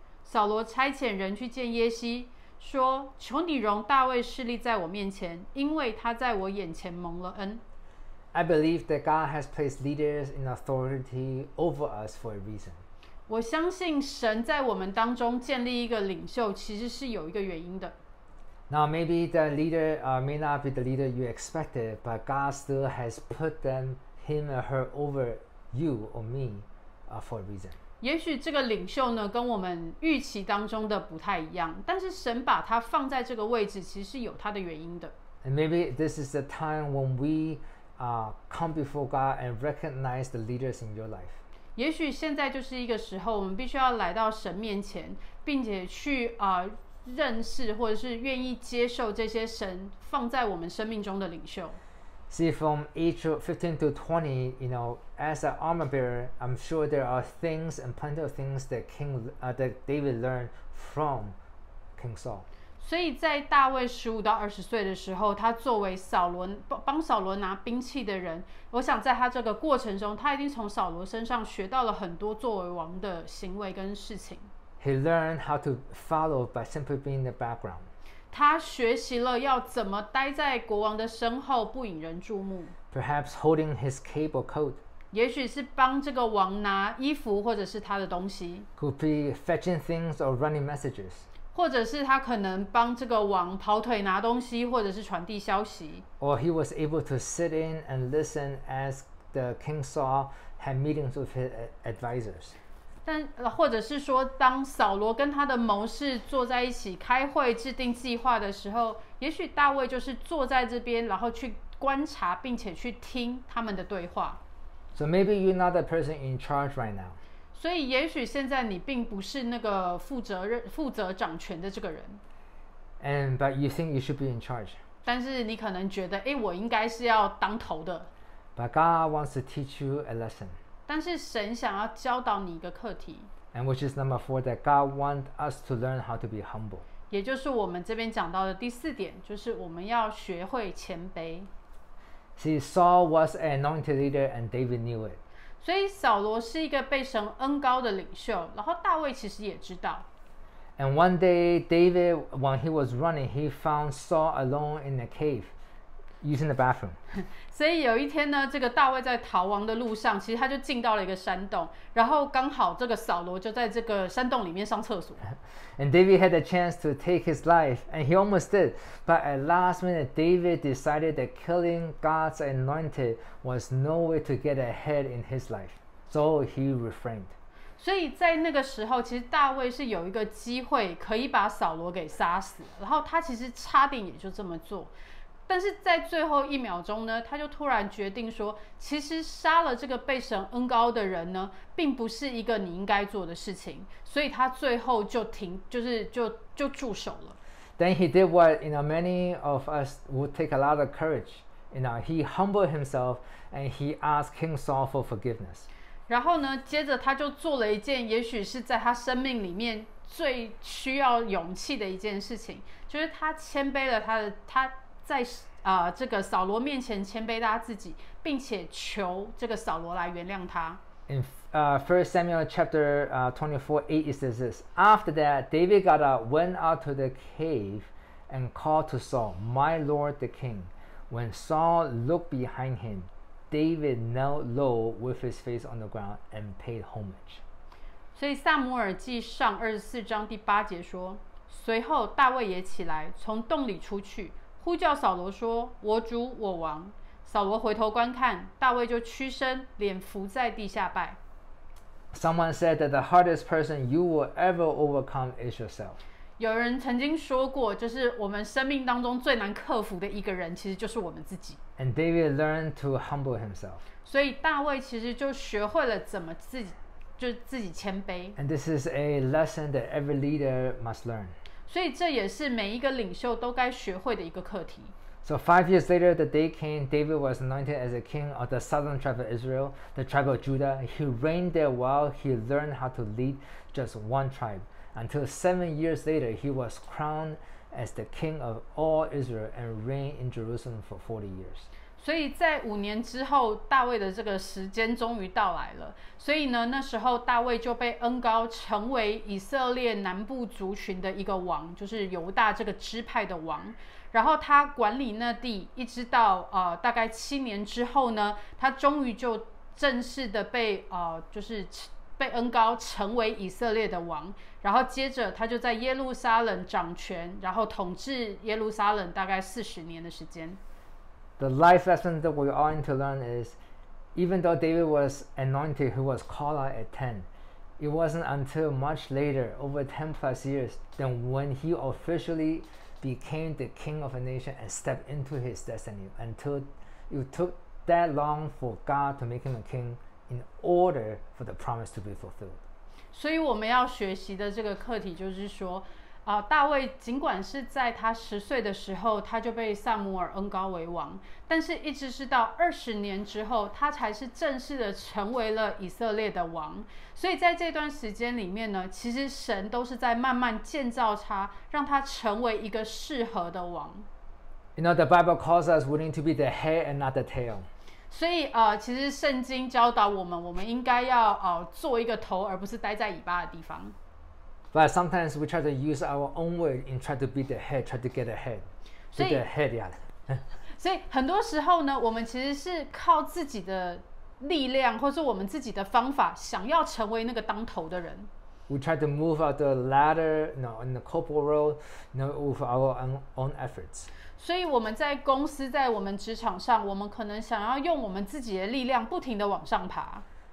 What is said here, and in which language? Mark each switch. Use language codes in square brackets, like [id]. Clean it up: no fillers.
[zh] 扫罗差遣人去见耶西，说：“求你容大卫侍立在我面前，因为他在我眼前蒙了恩。” [en] I believe that God has placed leaders in authority over us for a reason. [zh] 我相信神在我们当中建立一个领袖，其实是有一个原因的。 [en] Now maybe the leader may not be the leader you expected, but God still has put him or her over you or me for a reason. [zh] 也许这个领袖呢跟我们预期当中的不太一样，但是神把他放在这个位置其实是有他的原因的。 [en] And maybe this is the time when we come before God and recognize the leaders in your life. [zh] 也许现在就是一个时候，我们必须要来到神面前，并且去认识或者是愿意接受这些神放在我们生命中的领袖。 [en] See, from age 15 to 20, you know, as an armor bearer, I'm sure there are things and plenty of things that that David learned from King Saul. [zh] 所以在大卫15到20岁的时候，他作为扫罗帮扫罗拿兵器的人，我想在他这个过程中，他一定从扫罗身上学到了很多作为王的行为跟事情。 [en] He learned how to follow by simply being in the background. [zh] 他学习了要怎么待在国王的身后，不引人注目。 [en] Perhaps holding his cape or coat. [zh] 也许是帮这个王拿衣服或者是他的东西。 [en] Could be fetching things or running messages. [zh] 或者是他可能帮这个王跑腿拿东西，或者是传递消息。 [en] Or he was able to sit in and listen as the King Saul had meetings with his advisors. [zh] 或者是说当扫罗跟他的谋士坐在一起开会制定计划的时候，也许大卫就是坐在这边，然后去观察并且去听他们的对话。 [en] So maybe you're not the person in charge right now. [zh] 所以也许现在你并不是那个负责掌权的这个人。 [en] But you think you should be in charge. [zh] 但是你可能觉得，诶，我应该是要当头的。 [en] But God wants to teach you a lesson. [zh] 但是神想要教导你一个课题。 [en] And which is number four, that God wants us to learn how to be humble. [zh] 也就是我们这边讲到的第四点，就是我们要学会谦卑。 [en] See, Saul was an anointed leader and David knew it. [zh] 所以扫罗是一个被神恩膏的领袖，然后大卫其实也知道。 [en] And one day, David, when he was running, he found Saul alone in a cave. Using the bathroom. [zh] 所以有一天呢，这个大卫在逃亡的路上，其实他就进到了一个山洞，然后刚好这个扫罗就在这个山洞里面上厕所。 [en] And David had a chance to take his life, and he almost did. But at last minute, David decided that killing God's anointed was no way to get ahead in his life. So he refrained. [zh] 所以在那个时候，其实大卫是有一个机会可以把扫罗给杀死，然后他其实差点也就这么做。但是在最后一秒钟呢，他就突然决定说，其实杀了这个被神恩膏的人呢，并不是一个你应该做的事情，所以他最后就停，就住手了。 [en] Then he did what you know many of us would take a lot of courage. You know, he humbled himself and he asked King Saul for forgiveness. [zh] 然后呢，接着他就做了一件，也许是在他生命里面最需要勇气的一件事情，就是他谦卑了他。在这个扫罗面前谦卑他自己，并且求这个扫罗来原谅他。 [en] In First Samuel chapter 24:8 it says this. After that, David got up, went out to the cave, and called to Saul, "My lord, the king." When Saul looked behind him, David knelt low with his face on the ground and paid homage. [zh] 所以撒母耳记上24章第八节说，随后大卫也起来，从洞里出去。呼叫扫罗说：“我主，我王。” 扫罗回头观看，大卫就屈身，脸伏在地下拜。 [en] Someone said that the hardest person you will ever overcome is yourself. [zh] 有人曾经说过，就是我们生命当中最难克服的一个人，其实就是我们自己。 [en] And David learned to humble himself. [zh] 所以大卫其实就学会了怎么自己，就自己谦卑。 [en] And this is a lesson that every leader must learn. [zh] 所以这也是每一个领袖都该学会的一个课题。 [en] So 5 years later, the day came, David was anointed as a king of the southern tribe of Israel, the tribe of Judah. He reigned there while he learned how to lead just one tribe. Until 7 years later, he was crowned as the king of all Israel and reigned in Jerusalem for 40 years. [zh] 所以在五年之后，大卫的这个时间终于到来了。所以呢，那时候大卫就被恩高成为以色列南部族群的一个王，就是犹大这个支派的王。然后他管理那地，一直到大概7年之后呢，他终于就正式的被就是被恩高成为以色列的王。然后接着他就在耶路撒冷掌权，然后统治耶路撒冷大概40年的时间。 [en] The life lesson that we all need to learn is, even though David was anointed, he was called out at 10. It wasn't until much later, over 10 plus years, than when he officially became the king of a nation and stepped into his destiny. Until it took that long for God to make him a king in order for the promise to be fulfilled. [zh] 所以我们要学习的这个课题就是说，大卫尽管是在他10岁的时候他就被撒母耳恩高为王，但是一直是到20年之后他才是正式的成为了以色列的王。所以在这段时间里面呢，其实神都是在慢慢建造他，让他成为一个适合的王。 [en] You know, the Bible calls us willing to be the head and not the tail. [zh] 所以其实圣经教导我们，我们应该要做一个头，而不是待在尾巴的地方。 [en] But sometimes we try to use our own way in try to be the head, try to get ahead. So the head, yeah. [zh] 所以很多时候呢，我们其实是靠自己的力量，或是我们自己的方法，想要成为那个当头的人。 [en] We try to move up the ladder, you know, in the corporate world, you know, with our own efforts. [zh] 所以我们在公司，在我们职场上，我们可能想要用我们自己的力量，不停的往上爬。